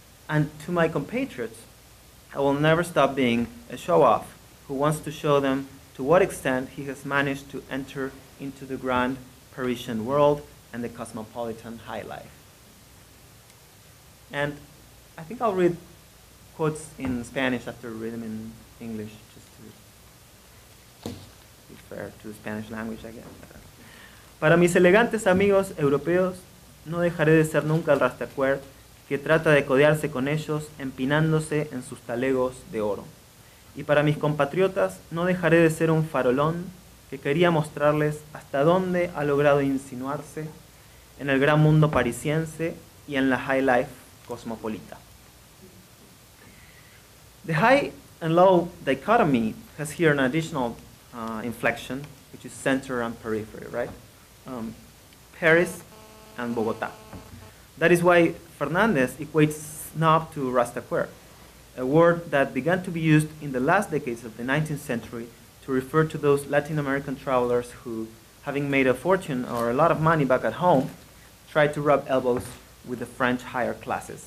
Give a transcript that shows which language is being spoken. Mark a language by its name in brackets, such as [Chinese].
[English] And to my compatriots, I will never stop being a show-off who wants to show them to what extent he has managed to enter into the grand Parisian world and the cosmopolitan high life. And I think I'll read quotes in Spanish after I read them in English, just to be fair to the Spanish language, I guess. [Spanish] Para mis elegantes amigos europeos, no dejaré de ser nunca el Rastaquoeres que trata de codearse con ellos empinándose en sus talegos de oro. Y para mis compatriotas, no dejaré de ser un farolón que quería mostrarles hasta dónde ha logrado insinuarse en el gran mundo parisiense y en la high life cosmopolita. [English] The high and low dichotomy has here an additional inflection, which is center and periphery, right? Paris and Bogotá. That is why Fernandez equates snob to Rastaquoeres, a word that began to be used in the last decades of the 19th century to refer to those Latin American travelers who, having made a fortune or a lot of money back at home, tried to rub elbows with the French higher classes.